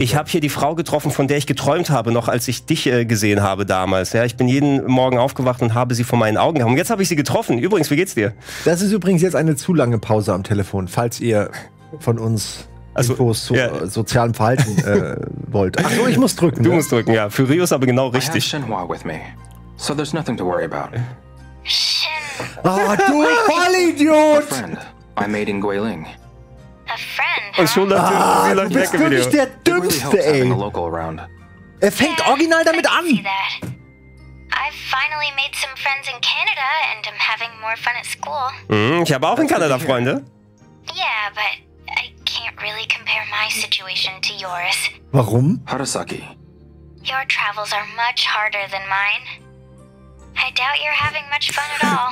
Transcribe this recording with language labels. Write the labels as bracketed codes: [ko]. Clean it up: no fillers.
[de] Ich habe hier die Frau getroffen, von der ich geträumt habe, noch als ich dich gesehen habe damals. Ja, ich bin jeden Morgen aufgewacht und habe sie vor meinen Augen gehabt. Und jetzt habe ich sie getroffen. Übrigens, wie geht's dir? Das ist übrigens jetzt eine zu lange Pause am Telefon, falls ihr von uns Infos zu sozialem Verhalten wollt. Ach so, ich muss drücken. Du musst drücken, ja. Für Rio ist aber genau richtig. [en] I have Shenhua with me, so there's nothing to worry about. [de] Oh, du Vollidiot! [en] I made in Guiling. [de] Und schon nach dem Spieler weg. Du bist wirklich der Dümmste, ey. Er fängt original damit an. [en] I've finally made some friends in Canada and I'm having more fun at school. [de] Ich habe auch in Kanada Freunde. [en] Yeah, but I can't really compare my situation to yours. [de] Warum? Harasaki. [en] Your travels are much harder than mine. I doubt you're having much fun at all.